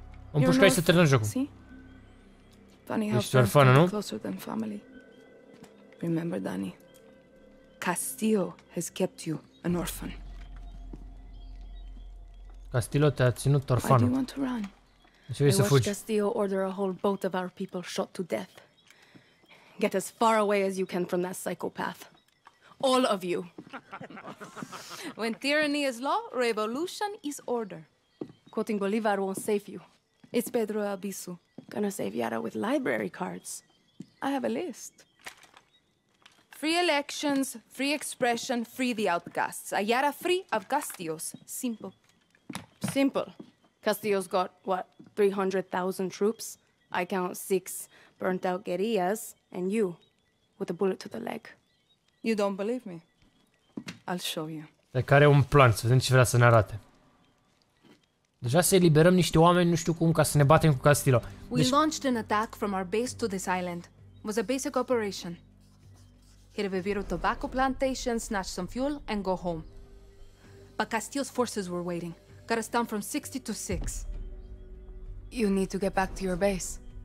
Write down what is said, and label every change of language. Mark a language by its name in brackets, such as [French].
[Romanian] Îmi pușcai să termin jocul. Ești doar fană, nu? [English] Remember, Danny. Castillo has kept you an orphan. [Romanian] Castillo te-a ținut orfană. [English] Why do you want to run? [Romanian] De ce vrei să fugi? [English] I watched Castillo order a whole boat of our people shot to death. Get as far away as you can from that psychopath. All of you. When tyranny is law, revolution is order. Quoting Bolivar won't save you. It's Pedro Albizu. Gonna save Yara with library cards. I have a list. Free elections, free expression, free the outcasts. A Yara free of Castillo's. Simple. Simple. Castillo's got, what, 300,000 troops? I count 6 burnt out guerrillas. And you, with a bullet to the leg. You don't believe me? I'll show you. [Romanian] De care un plan, să vedem ce vrea să ne arate. Deja să eliberăm niște oameni, nu știu cum, ca să ne batem cu Castillo. [English] We launched an attack from our base to this island. It was a basic operation. Hit a Viviro tobacco plantation, snatch some fuel, and go home. But Castillo's forces were waiting. Got us down from 60 to 6. You need to get back to your base.